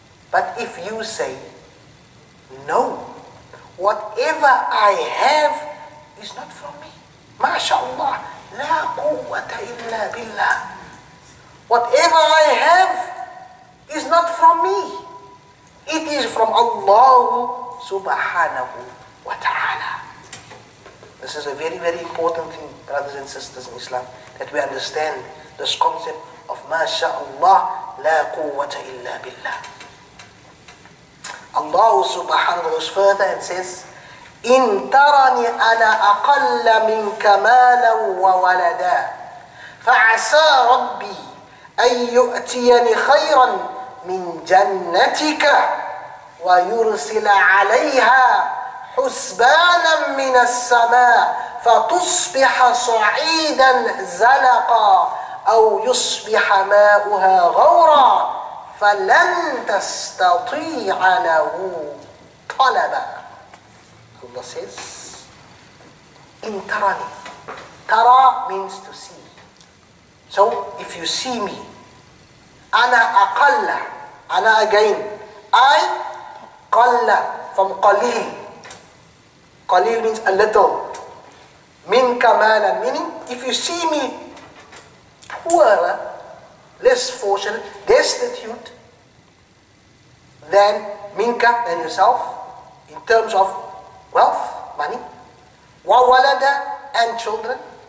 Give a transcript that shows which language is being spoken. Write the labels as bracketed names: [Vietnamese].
[English] But if you say, no, whatever I have is not from me, MashaAllah, la quwwata illa billah, whatever I have is not from me, it is from Allah subhanahu wa ta'ala. This is a very, very important thing, brothers and sisters in Islam, that we understand this concept of MashaAllah la quwwata illa billah. Allah subhanahu wa ta'ala goes further and says, [Arabic] إِن تَرَنِ أَنَا أَقَلَّ مِنْكَ مَالًا وَوَلَدًا فَعَسَى رَبِّي أَن يُؤْتِيَنِ خَيْرًا مِنْ جَنَّتِكَ وَيُرْسِلَ عَلَيْهَا حُسْبَانًا مِنَ السَّمَاءِ فَتُصْبِحَ صَعِيدًا زَلَقًا أَوْ يُصْبِحَ مَاؤُهَا غَوْرًا فَلَنْ تَسْتَطِيعَ لَهُ طَلَبًا. [English] Allah says, [Arabic] إِن تَرَنِي, [English] تَرَى means to see. So if you see me, [Arabic] أَنَا أَقَلَّ, [English] أَنَا again, I قَلَّ from قَلِيل, قَلِيل means a little, [Arabic] مِنْ كَمَالًا [English] meaning if you see me poorer, less fortunate, destitute than minka, than yourself, in terms of wealth, money, wawalada, and children.